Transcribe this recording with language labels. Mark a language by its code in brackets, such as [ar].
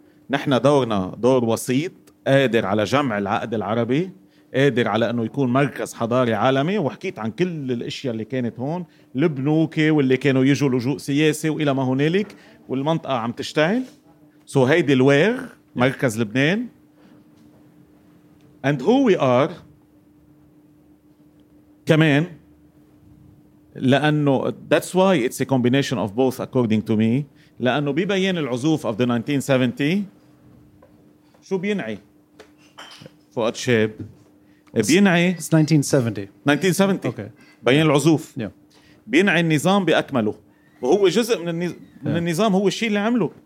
[ar] نحن دورنا دور وسيط قادر على جمع العقد العربي, قادر على أنه يكون مركز حضاري عالمي. وحكيت عن كل الأشياء اللي كانت هون, البنوك واللي كانوا يجوا لجوء سياسي وإلى ما هنالك, والمنطقة عم تشتعل. So هيدي الوير, مركز لبنان. [en] And who we are [ar] كمان, لأنه [en] that's why it's a combination of both according to me. [ar] لأنه ببين العزوف [en] of the 1970, [ar] شو بينعي فؤاد شهاب؟ بينعي [en] It's 1970. [ar] Okay. بين العزوف. [en] Yeah. [ar] بينعي النظام بأكمله. وهو جزء من النظام, هو الشيء اللي عمله.